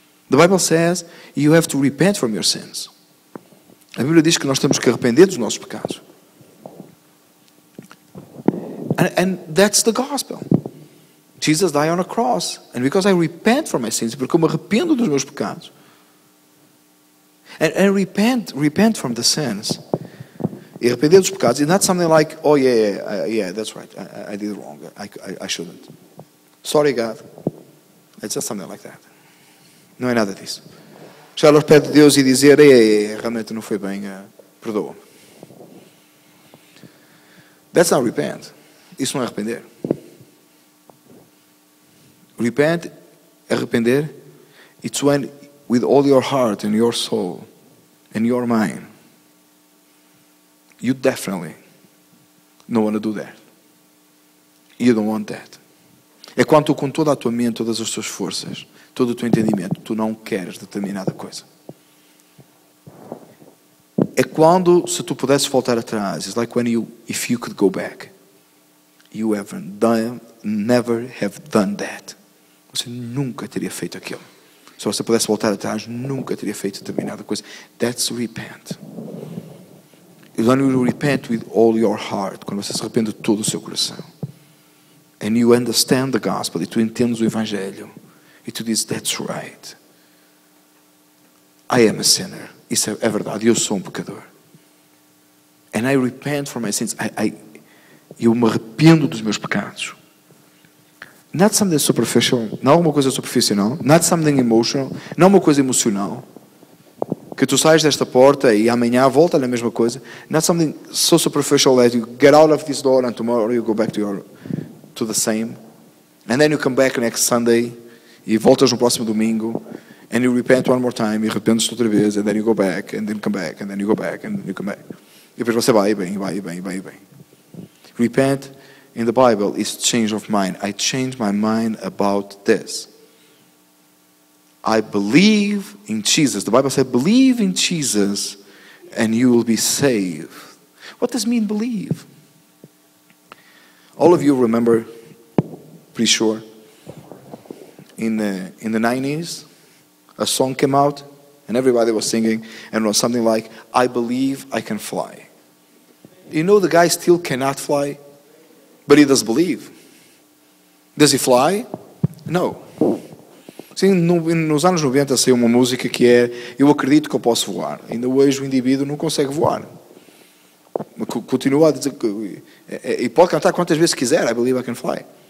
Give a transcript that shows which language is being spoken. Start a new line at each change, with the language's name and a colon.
English: The Bible says you have to repent from your sins.
Portuguese: A Bíblia diz que nós temos que arrepender dos nossos pecados.
English: And that's the gospel. Jesus died on a cross. And because I repent for my sins,
Portuguese: porque eu me arrependo dos meus pecados.
English: And repent from the sins.
Portuguese: E arrepender dos pecados.
English: It's not something like, oh yeah, that's right. I did wrong. I shouldn't. Sorry, God. It's not something like that.
Portuguese: Não é nada disso. Já aos pés de Deus e dizer, realmente não foi bem, perdoa-me.
English: That's not repent.
Portuguese: Isso não é arrepender.
English: Repent, arrepender, it's when with all your heart and your soul and your mind, you definitely don't want to do that. You don't want that.
Portuguese: É quando com toda a tua mente, todas as tuas forças, todo o teu entendimento, tu não queres determinada coisa. É quando, se tu pudesses voltar atrás,
English: it's like when you, if you could go back, you haven't done, never have done that.
Portuguese: Você nunca teria feito aquilo. Se você pudesse voltar atrás, nunca teria feito determinada coisa.
English: That's repent. You only repent with all your heart.
Portuguese: Quando você se arrepende de todo o seu coração.
English: And you understand the gospel.
Portuguese: E tu entendes o evangelho. E tu dizes,
English: that's right. I am a sinner.
Portuguese: Isso é verdade. Eu sou um pecador.
English: And I repent for my sins.
Portuguese: Eu me arrependo dos meus pecados.
English: Not something superficial.
Portuguese: Não uma coisa superficial.
English: Not something emotional.
Portuguese: Não uma coisa emocional. Que tu saias desta porta e amanhã volta na mesma coisa.
English: Not something so superficial that you get out of this door and tomorrow you go back to the same. And then you come back next Sunday
Portuguese: e voltas no próximo domingo.
English: And you repent one more time
Portuguese: e arrependes outra vez.
English: And then you go back and then come back. And then you go back and then you come back.
Portuguese: E depois você vai e bem, vai e bem, vai e bem.
English: Repent in the Bible is change of mind. I change my mind about this. I believe in Jesus. The Bible says, believe in Jesus and you will be saved. What does mean believe? All of you remember, pretty sure, in the 90s, a song came out and everybody was singing and it was something like, I believe I can fly. You know the guy still cannot fly, but he does believe. Does he fly? No.
Portuguese: Sim, no, nos anos 90 saiu uma música que é Eu acredito que eu posso voar. Ainda hoje o indivíduo não consegue voar. Continua a dizer que, e pode cantar quantas vezes quiser,
English: I believe I can fly.